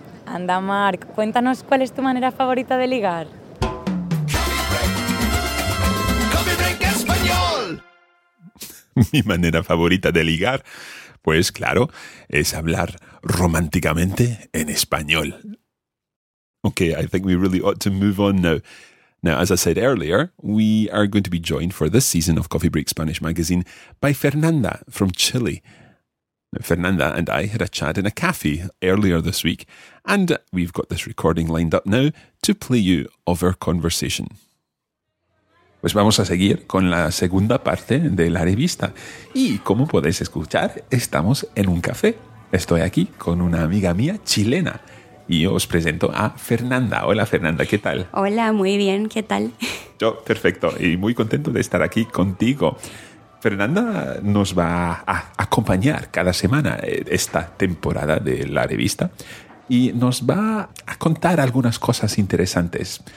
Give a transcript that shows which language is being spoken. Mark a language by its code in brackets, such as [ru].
[es] Anda, Marc, cuéntanos cuál es tu manera favorita de ligar. [en] Coffee break español. [es] Mi manera favorita de ligar, pues claro, es hablar románticamente en español. [en] Okay, I think we really ought to move on now. Now, as I said earlier, we are going to be joined for this season of Coffee Break Spanish magazine by Fernanda from Chile. Now, Fernanda and I had a chat in a cafe earlier this week, and we've got this recording lined up now to play you of our conversation. [es] Pues vamos a seguir con la segunda parte de la revista. Y como podéis escuchar, estamos en un café. Estoy aquí con una amiga mía chilena. Y os presento a Fernanda. Hola, Fernanda, ¿qué tal? Hola, muy bien, ¿qué tal? Yo, perfecto, y muy contento de estar aquí contigo. Fernanda nos va a acompañar cada semana esta temporada de la revista y nos va a contar algunas cosas interesantes.